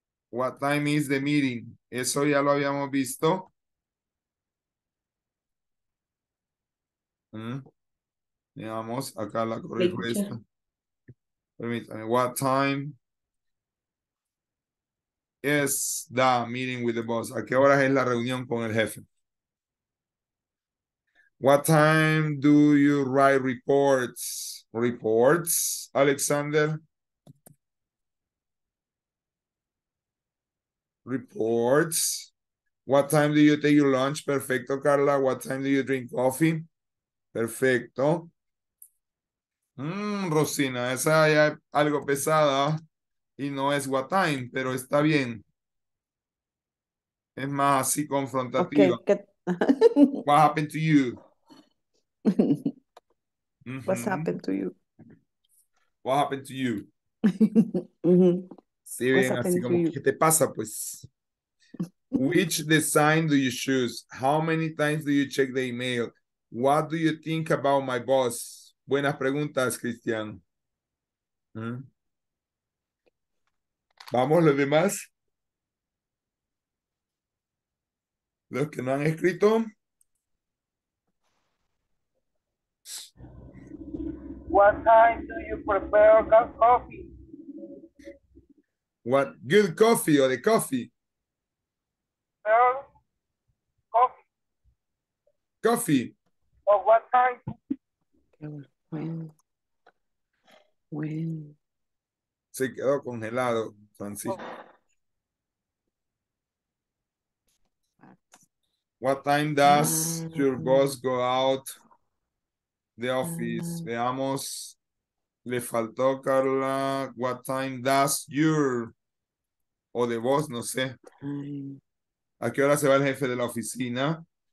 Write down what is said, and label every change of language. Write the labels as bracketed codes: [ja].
[en] What time is the meeting? [es] Eso ya lo habíamos visto. ¿Mm? Veamos acá la correcta. Permítame. [en] What time is the meeting with the boss? [es] ¿A qué hora es la reunión con el jefe? [en] What time do you write reports? Reports, Alexander? Reports. What time do you take your lunch? Perfecto, Carla. What time do you drink coffee? Perfecto. [es] Rosina, esa ya es algo pesada y no es what time, pero está bien. Es más así confrontativa. Okay, que... [en] What happened to you? What happened to you? What happened to you? [es] Sí, bien, así como, ¿qué te pasa, pues? [en] Which design do you choose? How many times do you check the email? What do you think about my boss? [es] Buenas preguntas, [en] Cristian. [es] Vamos, los demás. Los que no han escrito. [en] What time do you prepare coffee? What good coffee or the coffee? Coffee. Coffee. Of what time? When? [es] Se quedó congelado, Francisco. [en] What time does your boss go out the office? [es] Veamos. Le faltó, Carla. [en] What time does your [es] o the boss, no sé. ¿A qué hora se va el jefe de la oficina?